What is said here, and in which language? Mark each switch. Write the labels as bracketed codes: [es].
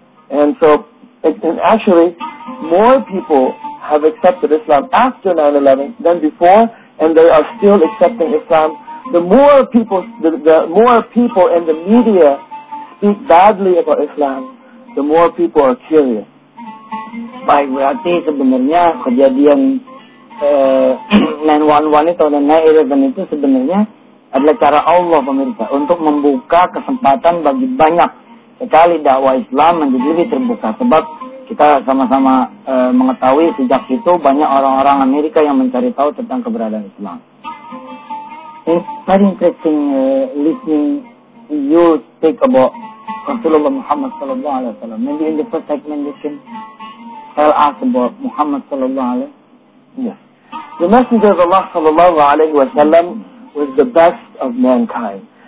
[en] And so, and actually, more people have accepted Islam after 9-11 than before, and they are still accepting Islam. The more people in the media speak badly about Islam, the more people are curious. [id] Baik, berarti sebenarnya kejadian 9-1-1 itu dan 9-11 itu sebenarnya adalah cara Allah, pemirsa, untuk membuka kesempatan bagi banyak sekali dakwah Islam menjadi lebih terbuka. Sebab kita sama-sama mengetahui sejak itu banyak orang-orang Amerika yang mencari tahu tentang keberadaan Islam. [en] It's very interesting listening you speak about Rasulullah Muhammad sallallahu alaihi wasallam. Maybe in the first segment you can tell us about Muhammad sallallahu alaihi wasallam. Yes. The Messenger of Allah sallallahu alaihi wasallam was the best of mankind.